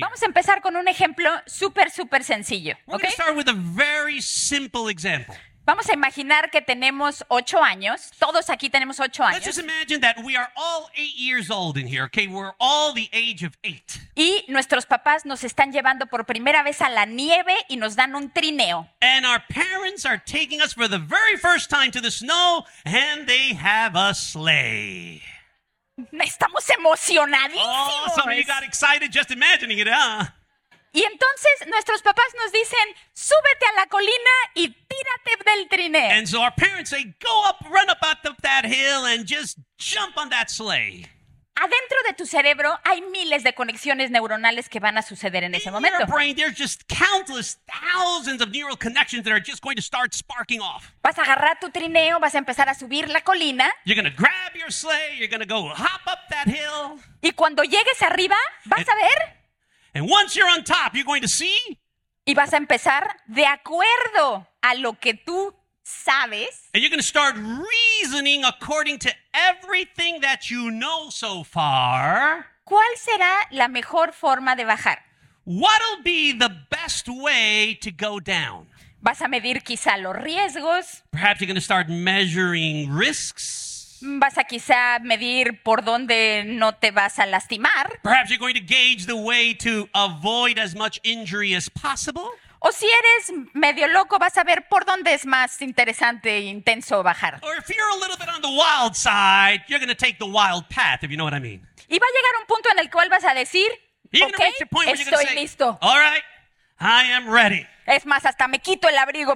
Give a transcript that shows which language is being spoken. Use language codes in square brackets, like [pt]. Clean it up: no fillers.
[es] Vamos a empezar con un ejemplo súper, súper sencillo. [en] We're going to start with a very simple example. [es] Vamos a imaginar que tenemos 8 años. Todos aquí tenemos 8 años. [en] Let's just imagine that we are all 8 years old in here, okay? We're all the age of 8. [es] Y nuestros papás nos están llevando por primera vez a la nieve y nos dan un trineo. [en] And our parents are taking us for the very first time to the snow and they have a sleigh. [es] Estamos emocionadísimos. [en] Oh, some of you got excited just imagining it, huh? [es] Y entonces nuestros papás nos dicen, súbete a la colina y tírate del trineo. [en] And so our parents say, go up, run up out of that hill and just jump on that sleigh. [es] Adentro de tu cerebro hay miles de conexiones neuronales que van a suceder en ese momento. [en] In your brain, there's just countless thousands of neural connections that are just going to start sparking off. [es] Vas a agarrar tu trineo, vas a empezar a subir la colina. [en] You're going to grab your sleigh, you're going to go hop up that hill. [es] Y cuando llegues arriba, vas a ver. [en] And once you're on top, you're going to see. [es] Y vas a empezar de acuerdo a lo que tú sabes. [en] And you're going to start reasoning according to everything that you know so far. [es] ¿Cuál será la mejor forma de bajar? [en] What'll be the best way to go down? [es] Vas a medir quizá los riesgos. [en] Perhaps you're going to start measuring risks. [es] Vas a quizá medir por dónde no te vas a lastimar. [en] Perhaps you're going to gauge the way to avoid as much injury as possible. [es] O si eres medio loco, vas a ver por dónde es más interesante e intenso bajar. [en] Or if you're a little bit on the wild side, you're going to take the wild path, if you know what I mean. [es] Y va a llegar un punto en el cual vas a decir, [en] you're [es] okay, estoy listo. [en] All right, I am ready. [es] Es más, hasta me quito el abrigo.